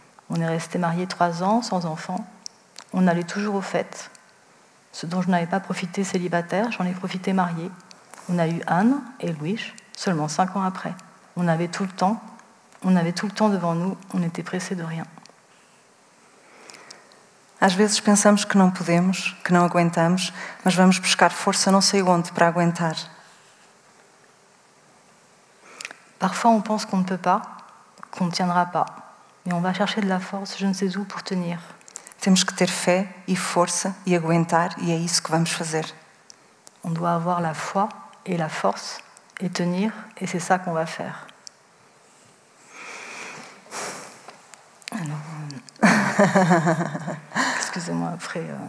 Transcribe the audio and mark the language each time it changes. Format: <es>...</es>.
<fr>On est restés mariés 3 ans, sans enfants. On allait toujours aux fêtes. Ce dont je n'avais pas profité célibataire, j'en ai profité mariée. On a eu Anne et Louis seulement 5 ans après. On avait tout le temps. On avait tout le temps devant nous, on n'était pressé de rien.</fr> <pt>Às vezes pensamos que não podemos, que não aguentamos, mas vamos buscar força não sei onde para aguentar.</pt> <fr>Parfois on pense qu'on ne peut pas, qu'on ne tiendra pas, mais on va chercher de la force je ne sais où pour tenir.</fr> <pt>Temos que ter fé e força e aguentar e é isso que vamos fazer.</pt> <fr>On doit avoir la foi et la force et tenir et c'est ça qu'on va faire. Alors, excusez-moi après.</fr>